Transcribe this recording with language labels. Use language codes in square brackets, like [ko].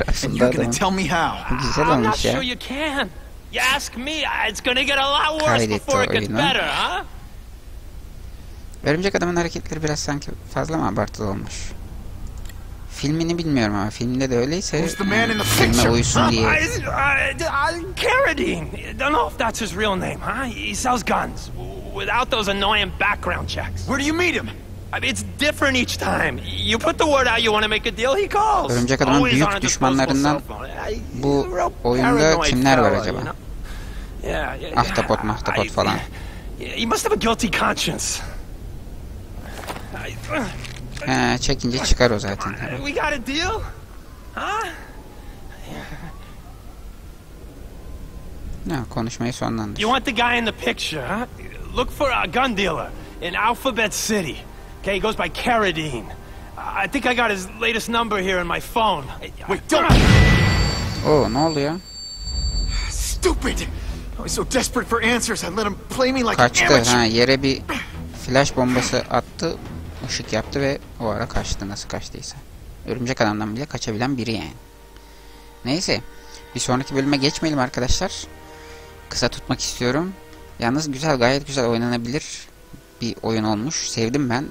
[en] And you're gonna tell me how? I'm not sure you can. You ask me, it's gonna get a lot worse before it gets better, huh? [tr] Örümcek adamın hareketleri biraz sanki fazla mı abartılı olmuş? Filmini bilmiyorum ama filmde de öyleyse filme uysun diye. [en] Carradine. Don't know if that's his real name, huh? He sells guns without those annoying background checks. Where do you meet him? It's different each time. You put the word out you want to make a deal, he calls. [tr] Örümcek adamın büyük düşmanlarından bu oyunda kimler var acaba? Ahtapot falan. [en] He must have a guilty conscience. [tr] Ha, çekince çıkar o zaten. [en] We got a deal? [tr] Ne, konuşmayı sonlandır. [en] You want the guy in the picture, huh? Look for a gun dealer in Alphabet City. Okay, he goes by Carradine. I think I got his latest number here in my phone. Wait, don't. [tr] Oh, ne oldu ya? [en] Stupid. I was so desperate for answers, I let him play me like an amateur. [tr] Kaçtı, ha, yere bir flash bombası attı. Işık yaptı ve o ara kaçtı, nasıl kaçtıysa. Örümcek adamdan bile kaçabilen biri yani. Neyse, bir sonraki bölüme geçmeyelim arkadaşlar. Kısa tutmak istiyorum. Yalnız güzel, gayet güzel oynanabilir bir oyun olmuş. Sevdim ben.